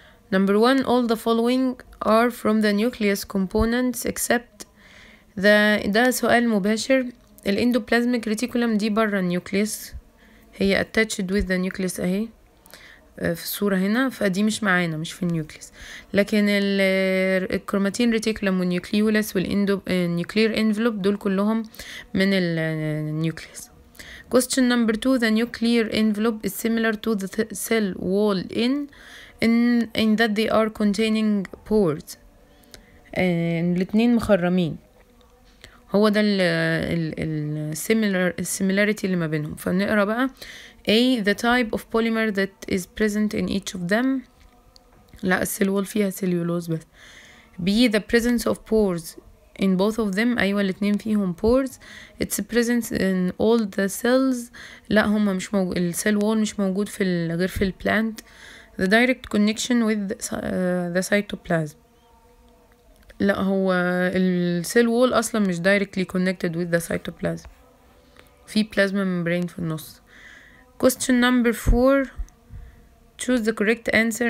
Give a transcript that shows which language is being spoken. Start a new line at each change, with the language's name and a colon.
English: Number 1, all the following are from the nucleus components except the.
Arabic: ده سؤال مباشر. الاندوبلازميك ريتيكولم دي بره النيوكليس، هي
English: attached with the nucleus
Arabic: اهي في الصورة هنا، فدي مش معانا مش في النيوكليس. لكن الكروماتين ريتيكولم والنيوكليولس والاندو نيوكليير انفلوب دول كلهم من النيوكليس.
English: Question number 2, the nuclear envelope is similar to the cell wall in that they are containing pores.
Arabic: الاثنين مخرمين، هو ده ال similarity اللي ما بينهم. فنقرا بقى:
English: A, the type of polymer that is present in each of them.
Arabic: لا ال cell wall فيها cellulose بس.
English: B, the presence of pores in both of them.
Arabic: ايوه الاثنين فيهم pores.
English: it's present in all the cells.
Arabic: لا هما مش موجود، ال cell wall مش موجود في غير في البلانت.
English: the direct connection with the cytoplasm.
Arabic: لا هو السيل وول اصلا مش دايركتلي كونكتد وذ ذا سيتوبلازم، في بلازما ممبرين في النص.
English: question number 4 choose the correct answer.